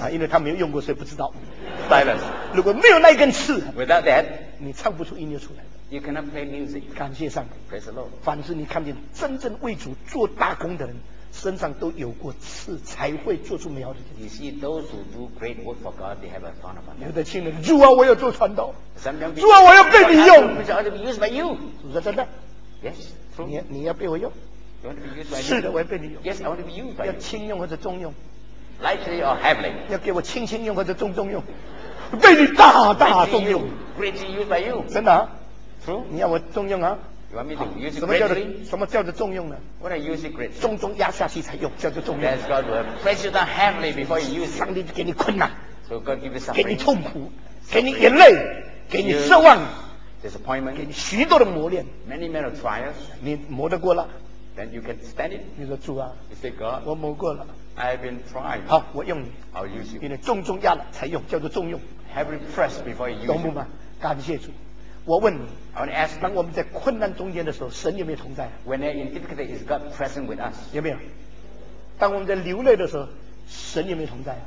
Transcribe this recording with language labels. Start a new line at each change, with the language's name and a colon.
Chinese: 啊，因为他没有用过，所以不知道。
English: Stylus。
Chinese: 如果没有那根刺
English: ，without that，
Chinese: 你唱不出音乐出来。
English: You cannot play music.
Chinese: 感谢上帝。
English: Praise the Lord。
Chinese: 凡是你看见真正为主做大功的人。身上都有过刺，才会做出美好的。
English: You see those who do great work for God, they have a thorn upon them.
Chinese: 有的亲人，主啊，我要做传道。
English: Sometimes,
Chinese: 主啊，我要被你用。
English: Because I'll be used by you.
Chinese: 主说真的
English: ？Yes.
Chinese: 你要被我用
English: ？You want to be used by you?
Chinese: 是的，我要被你用。
English: Yes, I want to be used by you.
Chinese: 要轻用或者重用
English: ？Lightly or heavily.
Chinese: 要给我轻轻用或者重重用？
English: 被你大大重用
Chinese: ？Greatly used by you.
English: 真的啊
Chinese: ？True.
English: 你要我重用啊？
Chinese: You want me to use it greatly?
English: 什么叫做重用呢？What I use it greatly?
Chinese: 重重压下去才用，叫做重用。
English: That's God will press you down heavily before you use it.
Chinese: 上帝给你困难
English: ，So God give you
Chinese: suffering. 给你痛苦， suffering, 给你眼泪， you, 给你失望
English: ，disappointment，
Chinese: 给你许多的磨练
English: ，many many trials.
Chinese: 你磨得过了
English: ，Then you can stand it.
Chinese: 你说主啊
English: ，You say God，
Chinese: 我磨过了
English: ，I've been trying.
Chinese: 好，我用你
English: ，I'll use you.
Chinese: 因为重重压了才用，叫做重用。
English: Heavy press before you use it.
Chinese: 懂不吗？感谢主。我问你
English: I want to ask you,
Chinese: 当我们在困难中间的时候神有没有同在
English: When they're in difficulty, is God present with us?
Chinese: 有没有当我们在流泪的时候神有没有同在